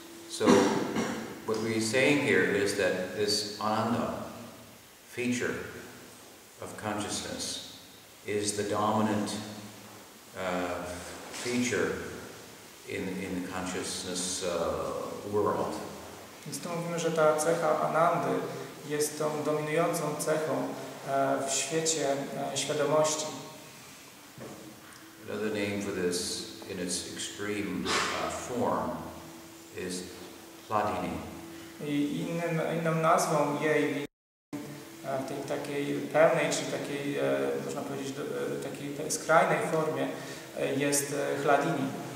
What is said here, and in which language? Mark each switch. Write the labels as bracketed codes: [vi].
[en] So what we're saying here is that this ananda feature of consciousness is the dominant feature in the consciousness world. [pl] Więc to mówimy, że ta cecha anandy jest tą dominującą cechą w świecie świadomości. [en] Another name for this in its extreme form is platini. [pl] I inną nazwą jej tej takiej pełnej, czy takiej, można powiedzieć, takiej skrajnej formie jest chladini.